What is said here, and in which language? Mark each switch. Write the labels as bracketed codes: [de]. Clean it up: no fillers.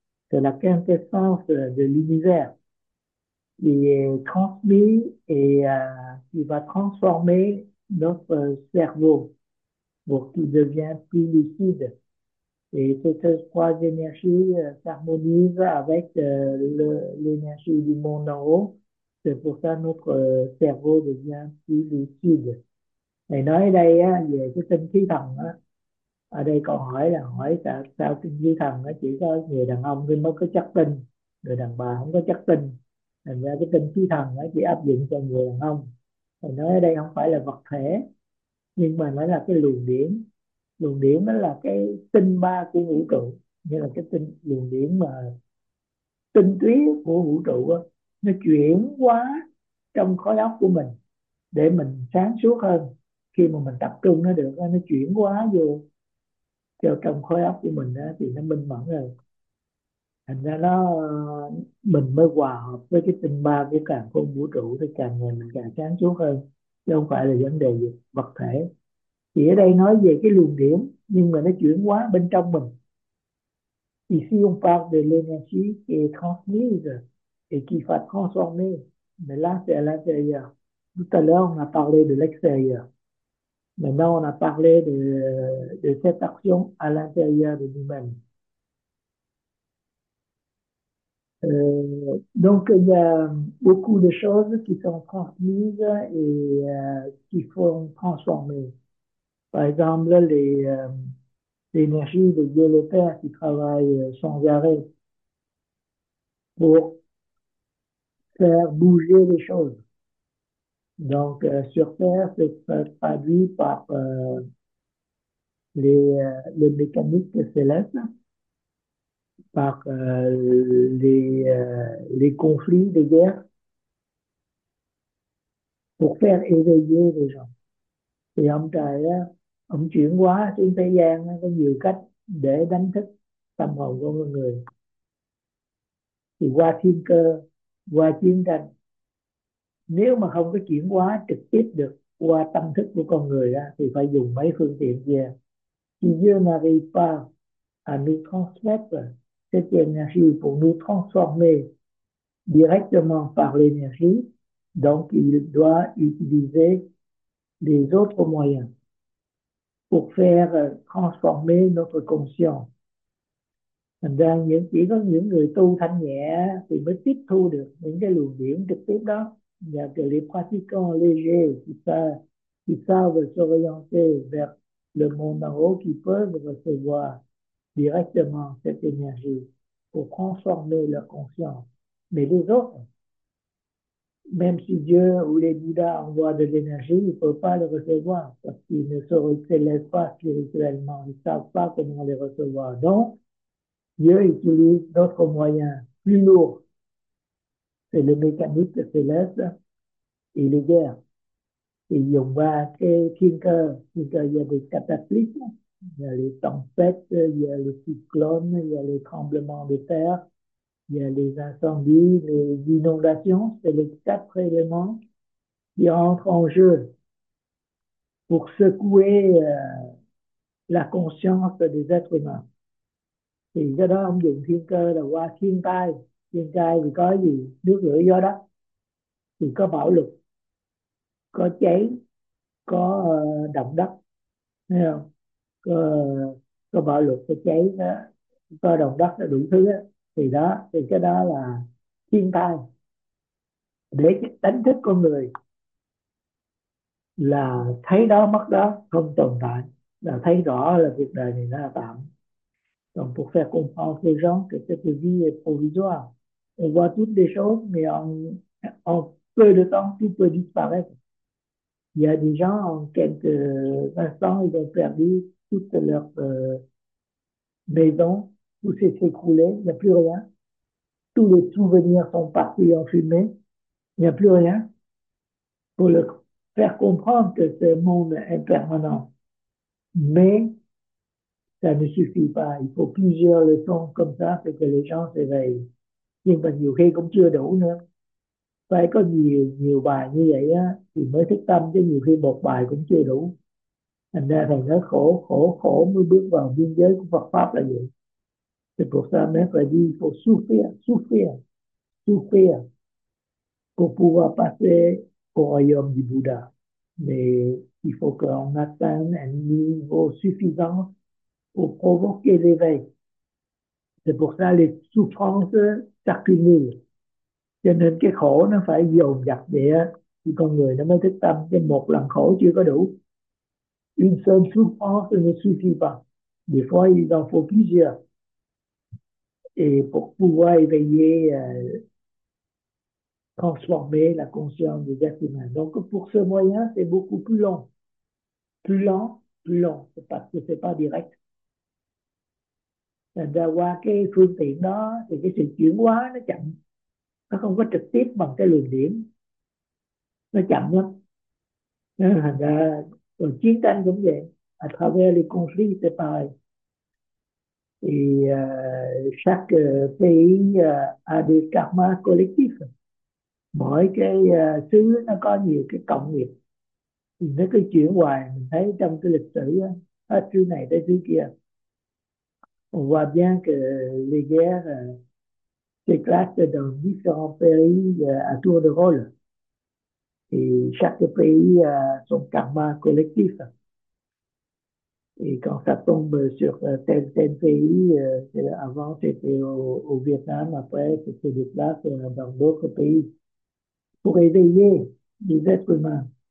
[fr] C'est la quintessence de l'univers qui est transmise et qui va transformer notre cerveau pour qu'il devienne plus lucide. Et ces trois énergies s'harmonisent avec l'énergie du monde en haut. C'est pour ça que notre cerveau devient plus lucide. [vi] Thầy nói đây á, về cái tinh khí thần á, ở đây câu hỏi là hỏi sao, sao tinh khí thần á, chỉ có người đàn ông mới có chất tinh, người đàn bà không có chất tinh, thành ra cái tinh khí thần á, chỉ áp dụng cho người đàn ông. Thầy nói ở đây không phải là vật thể, nhưng mà nó là cái luồng điển. Luồng điển nó là cái tinh ba của vũ trụ, nghĩa là cái tinh luồng điển mà tinh túy của vũ trụ á, nó chuyển hóa trong khối óc của mình để mình sáng suốt hơn. Khi mà mình tập trung nó được, nó chuyển hóa vô cho trong khối óc của mình đó, thì nó minh mẫn rồi, thành ra nó mình mới hòa hợp với cái tinh ba với càn khôn vũ trụ, thì càng ngày mình càng sáng suốt hơn, chứ không phải là vấn đề gì vật thể. Chỉ ở đây nói về cái luồng điển, nhưng mà nó chuyển hóa bên trong mình. Thì [fr] si on parle de l'énergie qui est transmise et qui va transformer, mais là c'est à l'intérieur. Tout à l'heure, on a parlé de l'extérieur. Maintenant, on a parlé de cette action à l'intérieur de nous-mêmes. Donc, il y a beaucoup de choses qui sont transmises et qui font transformer. Par exemple, l'énergie de Dieu le Père qui travaille sans arrêt. pour faire bouger les choses. Donc, sur Terre, c'est traduit par les mécaniques célestes, par les conflits, les guerres, pour faire éveiller les gens. Et [vi] ông trời ông chuyển hóa trên thế gian có nhiều cách để đánh thức tâm hồn của con người. Thì qua thiên cơ, qua chiến tranh, nếu mà không có chuyển hóa trực tiếp được qua tâm thức của con người đó, thì phải dùng mấy phương tiện kia. Chỉ dưa nà ri pa nu thong swet là cái nu thong swet [fr] directement par l'énergie. Donc il doit utiliser des autres moyens pour faire transformer notre conscience. [vi] Thành ra những chỉ có những người tu thanh nhẹ thì mới tiếp thu được những cái luồng điển trực tiếp đó. [fr] Và que les pratiquants légers qui savent s'orienter vers le monde en haut qui peuvent recevoir directement cette énergie pour transformer leur conscience. Mais les autres, même si Dieu ou les Bouddhas envoient de l'énergie, ils ne peuvent pas le recevoir parce qu'ils ne s'élèvent pas spirituellement. Ils ne savent pas comment les recevoir. Donc, Dieu utilise d'autres moyens plus lourds. C'est le mécanisme céleste et les guerres. Et ils ont pas que thiên cơ, il y a des cataclysmes, il y a les tempêtes, il y a les cyclones, il y a les tremblements de terre. Il y a les incendies, les inondations, c'est les quatre éléments qui entrent en jeu pour secouer la conscience des êtres humains. [vi] Thì cái đó ông dùng thiên cơ là qua thiên tai thì có gì, nước lửa gió đất, thì có bạo lực, có cháy, có động đất, thấy không? Có bạo lực, có cháy, có động đất, là đủ thứ đó. Thì đó, thì cái đó là thiên tai để đánh thức con người là thấy đó mất đó không tồn tại, là thấy rõ là việc đời này nó là tạm. [fr] Donc pour faire comprendre aux gens que cette vie est provisoire, on voit toutes les choses mais en peu de temps tout peut disparaître. Il y a des gens en quelques instants ils ont perdu toute leur maison. Tout s'est écroulé, il n'y a plus rien. Tous les souvenirs sont partis en fumée, il n'y a plus rien. Pour le faire comprendre que ce monde est impermanent. Mais ça ne suffit pas. Il faut plusieurs leçons comme ça pour que les gens s'éveillent. [vi] Nhưng mà nhiều khi cũng chưa đủ nữa. Phải có nhiều nhiều bài như vậy á, thì mới thức tâm, chứ nhiều khi một bài cũng chưa đủ. Thành ra thầy nói khổ, khổ, khổ mới bước vào biên giới của Phật Pháp là vậy. [fr] C'est pour ça même [vi] phải [fr] dire qu'il faut souffrir, souffrir, souffrir pour pouvoir passer au royaume du Bouddha. Mais il faut qu'on atteigne un niveau suffisant pour provoquer l'éveil. C'est pour ça les souffrances s'accumulent. [vi] Cho nên cái khổ nó phải dồn dập để thì con người nó mới thức tâm. Cái một lần khổ chưa có đủ. [fr] Une seule souffrance ne suffit pas. Des fois, il en faut plusieurs. Et pour pouvoir éveiller, transformer la conscience des êtres humains. Donc, pour ce moyen, c'est beaucoup plus long. Plus long, plus long. C'est parce que c'est pas direct. D'avoir [vi] cái phương tiện đó, thì cái sự chuyển hóa nó chậm. Nó không có trực tiếp bằng cái luồng điển. Nó chậm lắm. Thành ra, rồi chiến tranh cũng vậy. [fr] À travers les conflits, c'est pareil. Et chaque pays a des karmas collectifs. [vi] Mỗi cái xứ nó có nhiều cái cộng nghiệp. Thì nó cứ chuyển hoài, mình thấy trong cái lịch sử hết xứ này tới xứ kia. [fr] On voit bien que les guerres s'éclatent dans différents pays à tour de rôle. Et chaque pays a son karma collectif. Et quand ça tombe sur tel pays, avant c'était au Vietnam, après c'était des places dans d'autres pays, pour éveiller les êtres humains.